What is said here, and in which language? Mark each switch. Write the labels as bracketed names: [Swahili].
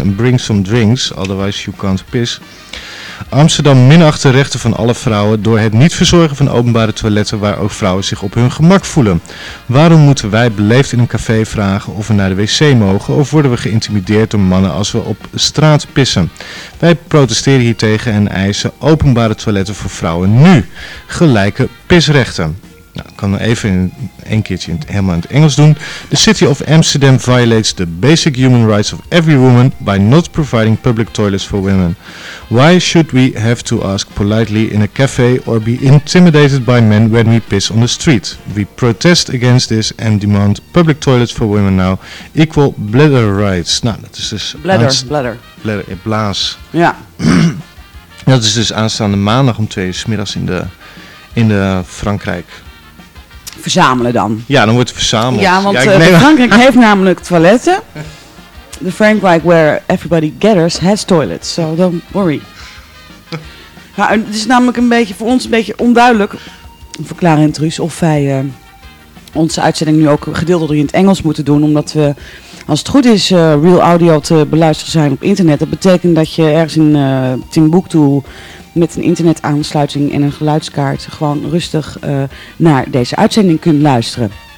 [English] And bring some drinks, otherwise you can't piss. [Dutch] Amsterdam minacht de rechten van alle vrouwen door het niet verzorgen van openbare toiletten waar ook vrouwen zich op hun gemak voelen. Waarom moeten wij beleefd in een café vragen of we naar de wc mogen of worden we geïntimideerd door mannen als we op straat pissen? Wij protesteren hiertegen en eisen openbare toiletten voor vrouwen nu. Gelijke pisrechten. Nou, ik kan even een keertje helemaal in het Engels doen. [English] The city of Amsterdam violates the basic human rights of every woman by not providing public toilets for women. Why should we have to ask politely in a cafe or be intimidated by men when we piss on the street? We protest against this and demand public toilets for women now equal bladder rights. [Dutch] Nou, dat is dus... [English] Bladder. [Dutch] In blaas. Ja. Dat is dus aanstaande maandag om 2 uur 's middags in de Frankrijk... Verzamelen dan. Ja, dan wordt het verzameld. Ja, want Frankrijk heeft namelijk toiletten. [English] The Frankrijk where everybody gathers has toilets, so don't worry. [Dutch] Ja, het is namelijk een beetje voor ons een beetje onduidelijk, verklaar Intrus, of wij onze uitzending nu ook gedeeltelijk in het Engels moeten doen, omdat we, als het goed is, real audio te beluisteren zijn op internet. Dat betekent dat je ergens in Timbuktu met een internetaansluiting en een geluidskaart gewoon rustig naar deze uitzending kunt luisteren.